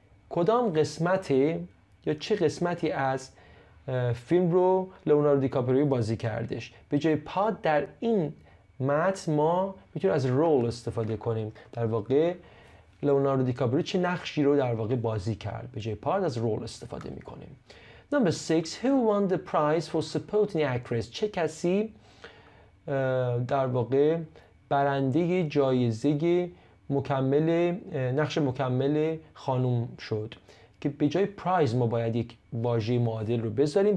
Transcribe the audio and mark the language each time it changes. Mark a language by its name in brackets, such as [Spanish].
[Persian] کدام قسمتی یا چه قسمتی از فیلم رو لئوناردو دیکاپریو بازی کردش؟ به جای part در این متن ما میتونیم از role استفاده کنیم. در واقع لئوناردو دیکاپریو چه نقشی رو در واقع بازی کرد؟ به جای part از role استفاده میکنیم. [English] Number 6, who won the prize for supporting actress? [Persian] چه کسی در واقع برنده جایزه مکمل نقش مکمل خانوم شد؟ که به جای prize ما باید یک واژه معادل رو بذاریم.